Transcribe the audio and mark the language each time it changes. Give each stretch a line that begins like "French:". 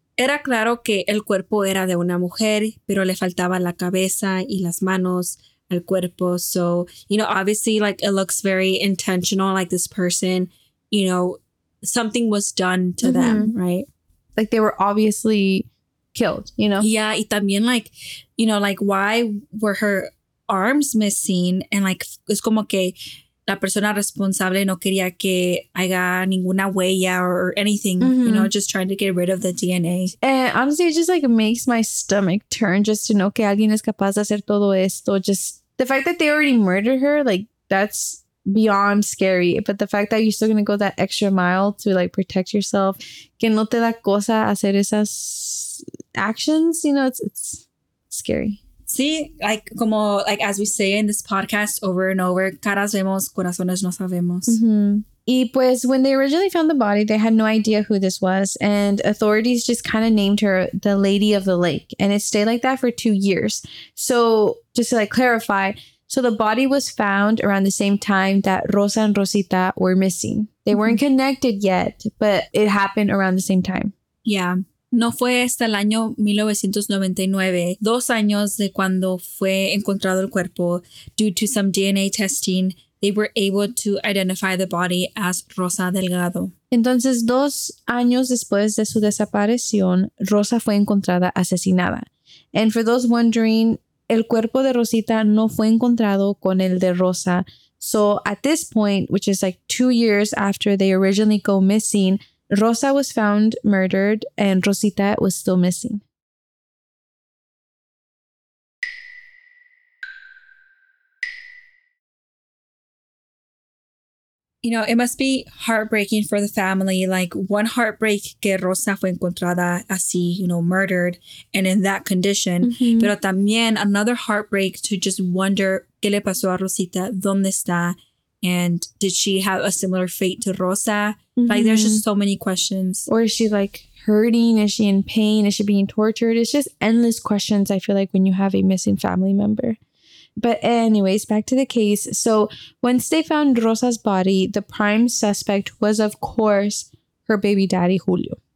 Spanish: Era claro que el cuerpo era de una mujer, pero le faltaba la cabeza y las manos al cuerpo.
English: So, you know, obviously, like, it looks very intentional, like this person, you know, something was done to mm-hmm. them, right? Like, they were obviously killed, you know? Yeah,
Spanish: y también,
English: like, you know, like, why were her arms missing? And, like,
Spanish: es como que la persona responsable no quería que haya ninguna huella
English: or anything,
Spanish: mm-hmm.
English: you know, just trying to get rid of the DNA. And honestly, it just, like, makes my stomach turn just to know
Spanish: que alguien es capaz de hacer todo esto.
English: Just the fact that they already murdered her, like, that's beyond scary. But the fact that you're still going to go that extra mile to, like, protect yourself,
Spanish: que no te da cosa hacer esas
English: actions, you know, it's scary. See, like,
Spanish: como,
English: like, as we say in this podcast over and over,
Spanish: caras vemos, corazones no sabemos.
English: Mm-hmm.
Spanish: Y pues,
English: when they originally found the body, they had no idea who this was, and authorities just kind of named her the Lady of the Lake, and it stayed like that for 2 years. So, just to, like, clarify, so the body was found around the same time that Rosa and Rosita were missing. They mm-hmm. weren't connected yet, but it happened around the same time. Yeah.
Spanish: No fue hasta el año 1999, 2 años de cuando fue encontrado el cuerpo,
English: due to some DNA testing, they were able to identify the body as Rosa Delgado.
Spanish: Entonces, 2 años después de su desaparición, Rosa fue encontrada asesinada.
English: And for those wondering,
Spanish: el cuerpo de Rosita no fue encontrado con el de Rosa.
English: So at this point, which is like 2 years after they originally go missing, Rosa was found murdered and Rosita was still missing. You know, it must be heartbreaking for the family. Like, one heartbreak
Spanish: que Rosa fue encontrada así,
English: you know, murdered and in that condition. Mm-hmm.
Spanish: Pero también
English: another heartbreak to just wonder,
Spanish: ¿qué le pasó a Rosita? ¿Dónde está?
English: And did she have a similar fate to Rosa? Mm-hmm. Like, there's just so many questions. Or is she, like, hurting? Is she in pain? Is she being tortured? It's just endless questions, I feel like, when you have a missing family member. But anyways, back to the case. So once they found Rosa's body, the prime suspect was, of course, her baby daddy, Julio.